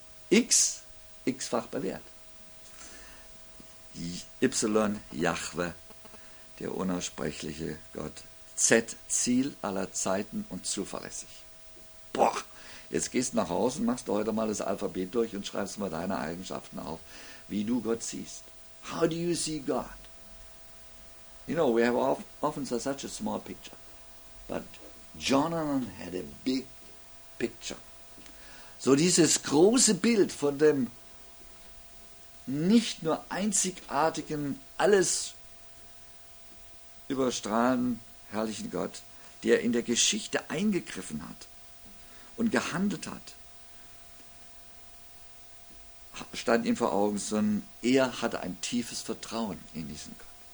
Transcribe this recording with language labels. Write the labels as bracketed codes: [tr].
[de] X, x-fach bewährt. Y, Jahwe, der unaussprechliche Gott. Z, Ziel aller Zeiten und zuverlässig. Boah, jetzt gehst du nach Hause und machst du heute mal das Alphabet durch und schreibst mal deine Eigenschaften auf, wie du Gott siehst. [en] How do you see God? You know, we have often such a small picture. But Jonathan had a big picture. [de] So dieses große Bild von dem nicht nur einzigartigen, alles überstrahlenden, herrlichen Gott, der in der Geschichte eingegriffen hat und gehandelt hat, stand ihm vor Augen, sondern er hatte ein tiefes Vertrauen in diesen Gott.